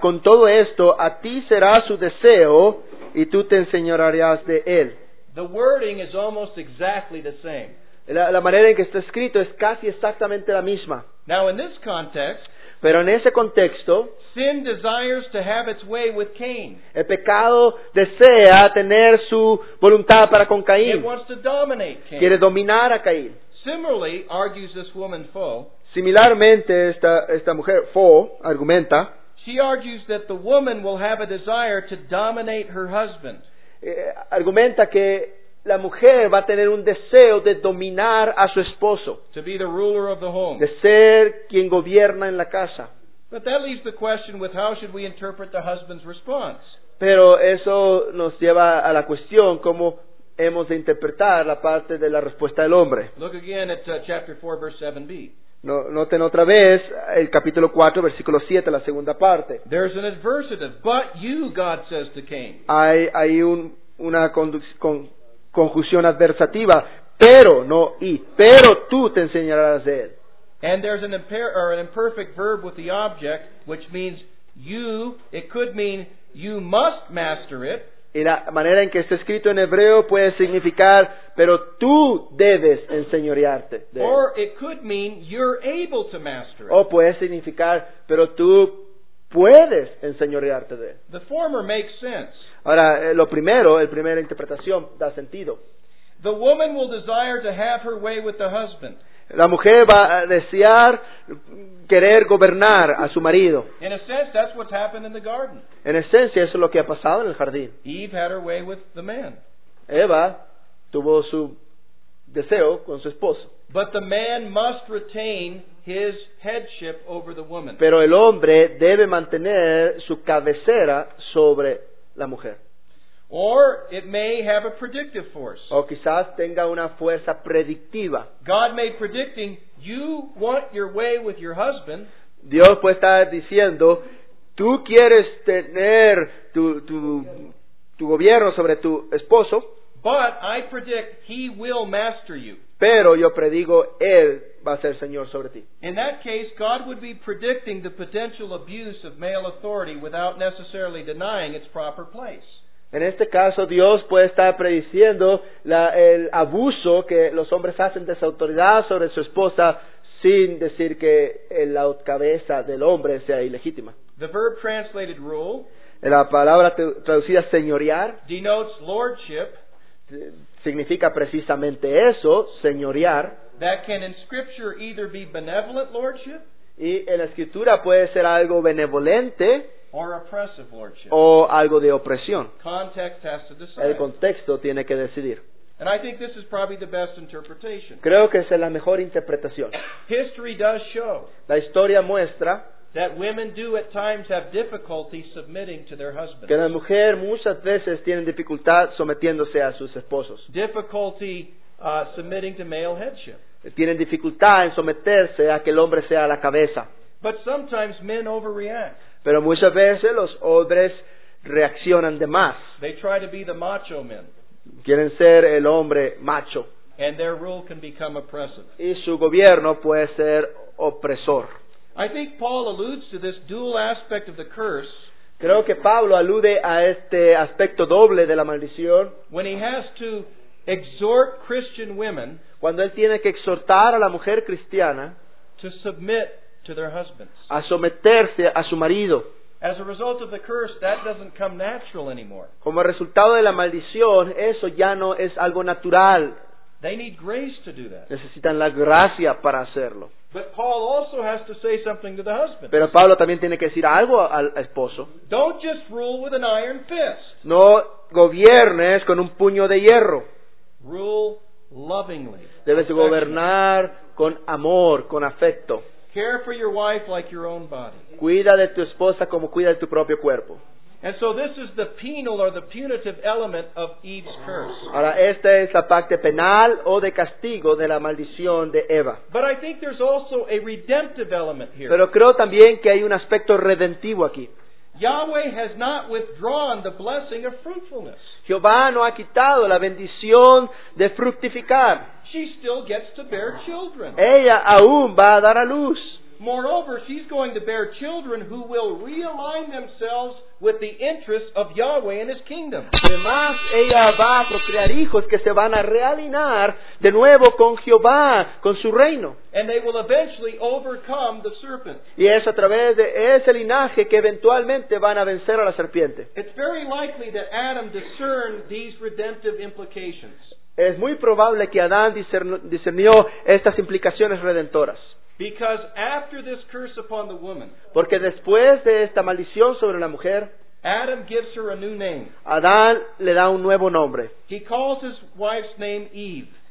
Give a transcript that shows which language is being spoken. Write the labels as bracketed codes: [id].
[es] Con todo esto, a ti será su deseo, y tú te enseñorearás de él. [en] The wording is almost exactly the same. [es] La manera en que está escrito es casi exactamente la misma. [en] Now in this context, [es] pero en ese contexto, [en] sin desires to have its way with Cain. [es] El pecado desea tener su voluntad para con Caín. [en] It wants to dominate Cain. [es] Quiere dominar a Caín. [en] Similarly, argues this woman Foe. [es] Similarmente, esta mujer Foe argumenta. [en] She argues that the woman will have a desire to dominate her husband. [es] Argumenta que la mujer va a tener un deseo de dominar a su esposo, [en] to be the ruler of the home. [es] De ser quien gobierna en la casa. [en] But that leaves the question with how should we interpret the husband's response? [es] Pero eso nos lleva a la cuestión cómo hemos de interpretar la parte de la respuesta del hombre. [en] Look again at chapter 4, verse 7b. [es] Noten otra vez el capítulo 4, versículo 7, la segunda parte. [en] There's an adversative, but you, God says to Cain. [es] Hay una conjunción adversativa, pero no y, pero tú te enseñarás de él. [en] And there's an imperfect verb with the object, which means you, it could mean you must master it. [es] Y la manera en que está escrito en hebreo puede significar, pero tú debes enseñorearte de él. [en] Or it could mean you're able to master it. [es] O puede significar, pero tú puedes enseñorearte de él. [en] The former makes sense. [es] Ahora, lo primero, la primera interpretación da sentido. [en] The woman will desire to have her way with the husband. [es] La mujer va a desear querer gobernar a su marido. [en] In a sense, that's what's happened in the garden. [es] En esencia, eso es lo que ha pasado en el jardín. [en] Eve had her way with the man. [es] Eva tuvo su deseo con su esposo. [en] But the man must retain his headship over the woman. [es] Pero el hombre debe mantener su cabecera sobre la mujer. [en] Or it may have a predictive force. [es] O quizás tenga una fuerza predictiva. [en] God may be predicting you want your way with your husband. [es] Dios puede estar diciendo, tú quieres tener tu gobierno sobre tu esposo. [en] But I predict he will master you. [es] Pero yo predigo él va a ser señor sobre ti. [en] In that case, God would be predicting the potential abuse of male authority without necessarily denying its proper place. [es] En este caso, Dios puede estar prediciendo el abuso que los hombres hacen de su autoridad sobre su esposa sin decir que la cabeza del hombre sea ilegítima. [en] The verb translated rule, [es] la palabra traducida señorear, [en] denotes lordship, [es] significa precisamente eso, señorear. [en] That can in scripture either be benevolent lordship, [es] y en la escritura puede ser algo benevolente, [en] or oppressive lordship, [es] o algo de opresión. [en] Context has to decide. [es] El contexto tiene que decidir. [en] And I think this is probably the best interpretation. [es] Creo que esa es la mejor interpretación. [en] History does show. [es] La historia muestra [en] that women do at times have difficulty submitting to their husbands. [es] Que la mujer muchas veces tiene dificultad sometiéndose a sus esposos. [en] Difficulty submitting to male headship. [es] Tienen dificultad en someterse a que el hombre sea la cabeza. [en] But sometimes men overreact. [es] Pero muchas veces los hombres reaccionan de más. [en] They try to be the macho men. [es] Quieren ser el hombre macho. [en] And their rule can become oppressive. [es] Y su gobierno puede ser opresor. [en] I think Paul alludes to this dual aspect of the curse. [es] Creo que Pablo alude a este aspecto doble de la maldición. [en] When he has to exhort Christian women, [es] cuando él tiene que exhortar a la mujer cristiana, [en] to submit to their husbands, [es] a someterse a su marido. [en] As a result of the curse, that doesn't come natural anymore. [es] Como resultado de la maldición, eso ya no es algo natural. [en] They need grace to do that. [es] Necesitan la gracia para hacerlo. [en] But Paul also has to say something to the husband. [es] Pero Pablo también tiene que decir algo al esposo. [en] Don't just rule with an iron fist. [es] No gobiernes con un puño de hierro. [en] Rule lovingly. [es] Debes gobernar con amor, con afecto. [en] Care for your wife like your own body. [es] Cuida de tu esposa como cuida de tu propio cuerpo. [en] And so this is the penal or the punitive element of Eve's curse. [es] Ahora esta es la parte penal o de castigo de la maldición de Eva. [en] But I think there's also a redemptive element here. [es] Pero creo también que hay un aspecto redentivo aquí. [en] Yahweh has not withdrawn the blessing of fruitfulness. [es] Jehová no ha quitado la bendición de fructificar. [en] She still gets to bear children. [es] Ella aún va a dar a luz. [en] Moreover, she's going to bear children who will realign themselves with the interests of Yahweh and His kingdom. [es] Además, ella va a procrear hijos que se van a realinear de nuevo con Jehová, con su reino. [en] And they will eventually overcome the serpent. [es] Y es a través de ese linaje que eventualmente van a vencer a la serpiente. [en] It's very likely that Adam discerned these redemptive implications. [es] Es muy probable que Adán discernió estas implicaciones redentoras. [en] Because after this curse upon the woman, [es] porque después de esta maldición sobre la mujer, [en] Adam gives her a new name. [es] Adán le da un nuevo nombre. [en] He calls his wife's name Eve.